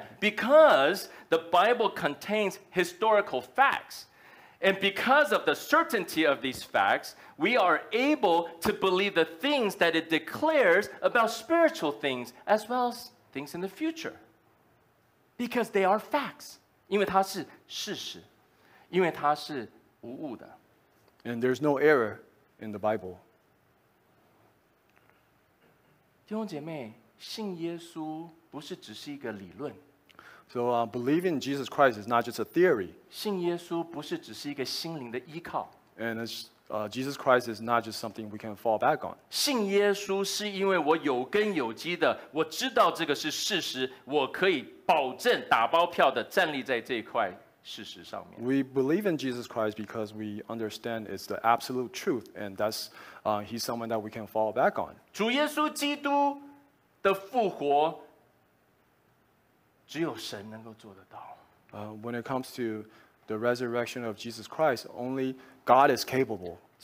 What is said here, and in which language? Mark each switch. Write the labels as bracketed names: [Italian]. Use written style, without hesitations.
[English] Yeah, because the Bible contains historical facts, and because of the certainty of these facts, we are able to believe the things that it declares about spiritual things as well as things in the future. Because they are facts. [Chinese] 因为它是事实, 因为它是无误的。 [English] And there's no error in the Bible. [Chinese] 弟兄姐妹, 信耶稣不是只是一个理论。 [English] So believing in Jesus Christ is not just a theory. [Chinese] 信耶稣不是只是一个心灵的依靠。 [English] And it's, Jesus Christ is not just something we can fall back on. [Chinese] 信耶稣是因为我有根有基的, 我知道这个是事实, 我可以 保证打包票的站立在这一块事实上面。 [English] We believe in Jesus Christ because we understand it's the absolute truth, and that's he's someone that we can fall back on. [Chinese] 主耶稣基督的复活只有神能够做得到。 [English] When it comes to the resurrection of Jesus Christ, only God is capable.